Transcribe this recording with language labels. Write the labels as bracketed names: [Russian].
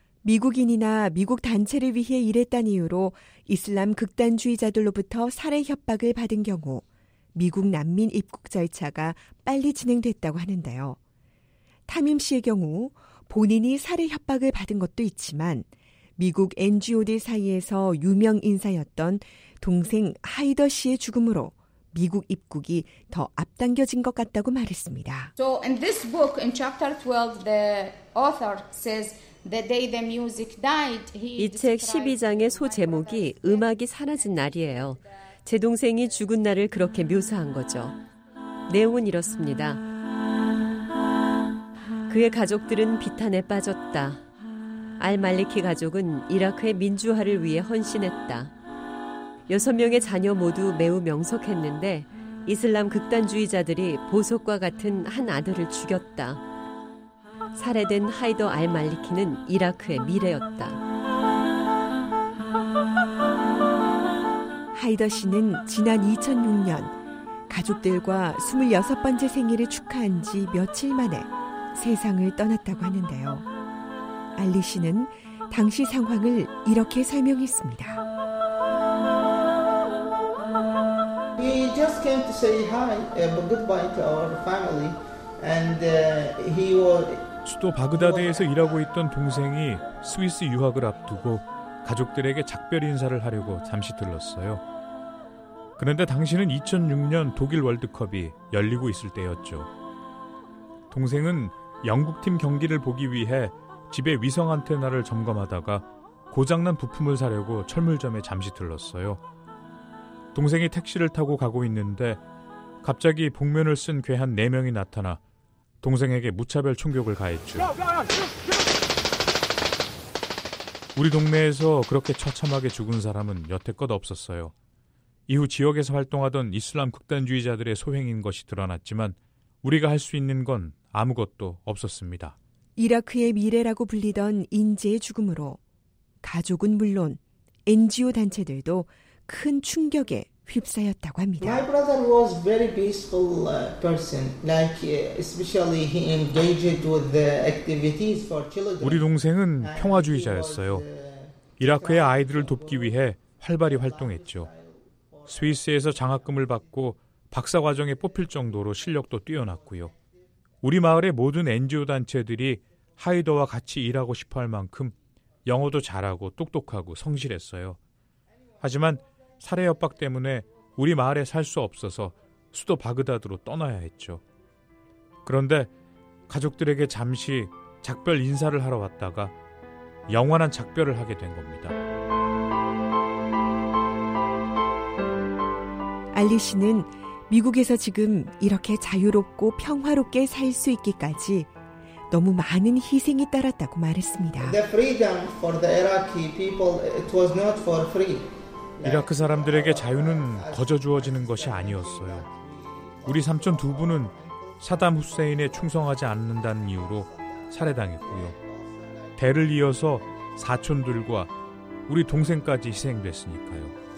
[Korean] 미국인이나 미국 단체를 위해 일했다는 이유로 이슬람 극단주의자들로부터 살해 협박을 받은 경우 미국 난민 입국 절차가 빨리 진행됐다고 하는데요. 타밈 씨의 경우 본인이 살해 협박을 받은 것도 있지만 미국 NGO들 사이에서 유명 인사였던 동생 하이더 씨의 죽음으로 미국 입국이 더 앞당겨진 것 같다고 말했습니다. [English] So in this book, in chapter 12, the author says the day the music died. [Korean] 이 책 12장의 소제목이 음악이 사라진 날이에요. 제 동생이 죽은 날을 그렇게 묘사한 거죠. 내용은 이렇습니다. 그의 가족들은 비탄에 빠졌다. 알 말리키 가족은 이라크의 민주화를 위해 헌신했다. 6명의 자녀 모두 매우 명석했는데 이슬람 극단주의자들이 보석과 같은 한 아들을 죽였다. 살해된 하이더 알 말리키는 이라크의 미래였다. 하이더 씨는 지난 2006년 가족들과 26번째 생일을 축하한 지 며칠 만에 세상을 떠났다고 하는데요. 알리 씨는 당시 상황을 이렇게 설명했습니다. [English] He just came to say hi, goodbye to our family, and he was. [Korean] 수도 바그다드에서 일하고 있던 동생이 스위스 유학을 앞두고 가족들에게 작별 인사를 하려고 잠시 들렀어요. 그런데 당시는 2006년 독일 월드컵이 열리고 있을 때였죠. 동생은 영국팀 경기를 보기 위해 집에 위성 안테나를 점검하다가 고장난 부품을 사려고 철물점에 잠시 들렀어요. 동생이 택시를 타고 가고 있는데 갑자기 복면을 쓴 괴한 4명이 나타나 동생에게 무차별 총격을 가했죠. 우리 동네에서 그렇게 처참하게 죽은 사람은 여태껏 없었어요. 이후 지역에서 활동하던 이슬람 극단주의자들의 소행인 것이 드러났지만 우리가 할 수 있는 건 아무것도 없었습니다. 이라크의 미래라고 불리던 인재의 죽음으로 가족은 물론 NGO 단체들도 큰 충격에 휩싸였다고 합니다. [English] My brother was a very peaceful person. Like especially he engaged with the activities for children. [Korean] 우리 동생은 평화주의자였어요. 이라크의 아이들을 돕기 위해 활발히 활동했죠. 스위스에서 장학금을 받고 박사 과정에 뽑힐 정도로 실력도 뛰어났고요. 우리 마을의 모든 NGO 단체들이 하이더와 같이 일하고 싶어 할 만큼 영어도 잘하고 똑똑하고 성실했어요. 하지만 살해 협박 때문에 우리 마을에 살 수 없어서 수도 바그다드로 떠나야 했죠. 그런데 가족들에게 잠시 작별 인사를 하러 왔다가 영원한 작별을 하게 된 겁니다. 알리 씨는 미국에서 지금 이렇게 자유롭고 평화롭게 살 수 있기까지 너무 많은 희생이 따랐다고 말했습니다. [English] The freedom for the Iraqi people, it was not for free. [Korean] 이라크 사람들에게 자유는 거저 주어지는 것이 아니었어요. 우리 삼촌 두 분은 사담 후세인에 충성하지 않는다는 이유로 살해당했고요. 대를 이어서 사촌들과 우리 동생까지 희생됐으니까요.